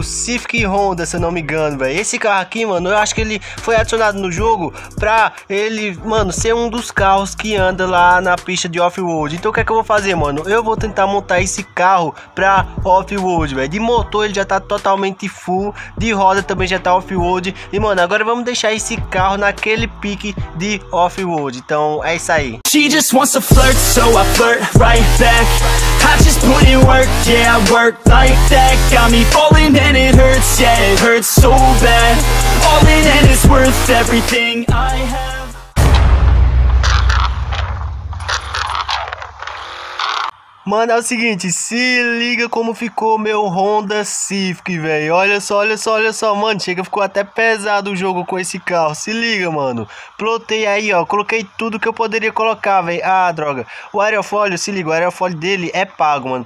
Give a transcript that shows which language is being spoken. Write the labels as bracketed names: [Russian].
[Portuguese] O Civic Honda, se eu não me engano, velho. Esse carro aqui, mano, eu acho que ele foi adicionado no jogo pra ele, mano, ser um dos carros que anda lá na pista de off-road. Então o que é que eu vou fazer, mano? Eu vou tentar montar esse carro pra off-road, velho. De motor ele já tá totalmente full, de roda também já tá off-road. E, mano, agora vamos deixar esse carro naquele pique de off-road. Então é isso aí. [English] She just wants to flirt, so I flirt right back. I just put in work, yeah, work like that. Got me falling and it hurts, yeah, it hurts so bad. All in and it's worth everything I have. [Portuguese] Mano, é o seguinte, se liga como ficou meu Honda Civic, velho. Olha só, olha só, olha só, mano. Chega, ficou até pesado o jogo com esse carro. Se liga, mano. Plotei aí, ó. Coloquei tudo que eu poderia colocar, velho. Ah, droga. O aerofólio, se liga, o aerofólio dele é pago, mano.